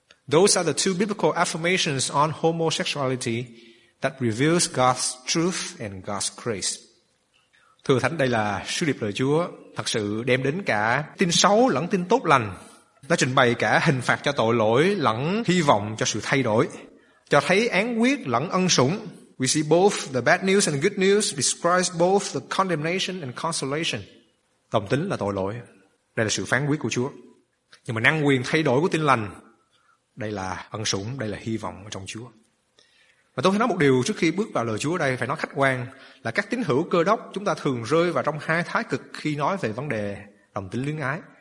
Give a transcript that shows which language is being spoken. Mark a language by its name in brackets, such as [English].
[English] Those are the two biblical affirmations on homosexuality that reveals God's truth and God's grace. [Vietnamese] Thưa Thánh, đây là sứ điệp lời Chúa thật sự đem đến cả tin xấu lẫn tin tốt lành. Nó trình bày cả hình phạt cho tội lỗi lẫn hy vọng cho sự thay đổi. Cho thấy án quyết lẫn ân sủng. [English] We see both the bad news and the good news describes both the condemnation and consolation. [Vietnamese] Đồng tính là tội lỗi. Đây là sự phán quyết của Chúa. Nhưng mà năng quyền thay đổi của tin lành, đây là ân sủng, đây là hy vọng ở trong Chúa. Và tôi phải nói một điều trước khi bước vào lời Chúa ở đây, phải nói khách quan là các tín hữu cơ đốc chúng ta thường rơi vào trong hai thái cực khi nói về vấn đề đồng tính luyến ái.